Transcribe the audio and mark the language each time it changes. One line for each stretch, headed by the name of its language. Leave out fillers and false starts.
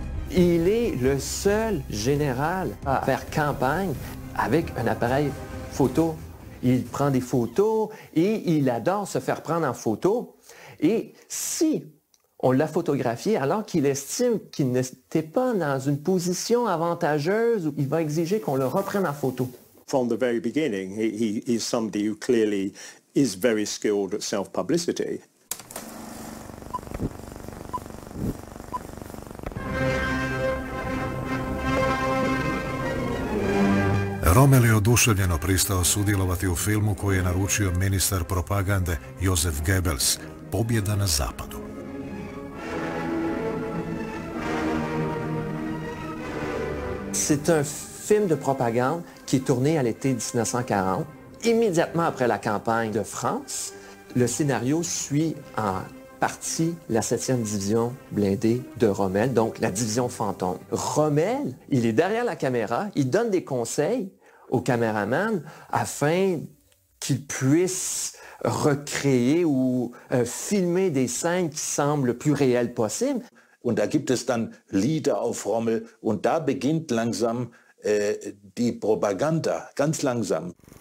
French: Il est le seul général à faire campagne avec un appareil photo. Il prend des photos et il adore se faire prendre en photo. Et si on l'a photographié alors qu'il estime qu'il n'était pas dans une position avantageuse, il va exiger qu'on le reprenne en photo.
English: From the very beginning, he is somebody who clearly is very skilled at self-publicity.
Croatian: Rommel je oduševljeno pristao sudjelovati u filmu koji je naručio ministar propagande Josef Goebbels, Pobjeda na zapadu.
French: C'est un film de propagande qui est tourné à l'été 1940, immédiatement après la campagne de France. Le scénario suit en partie la 7e division blindée de Rommel, donc la division fantôme. Rommel, il est derrière la caméra, il donne des conseils au caméraman afin qu'il puisse recréer ou filmer des scènes qui semblent plus réelles possibles.
German: Und da gibt es dann Lieder auf Rommel und da beginnt langsam die Propaganda, ganz langsam.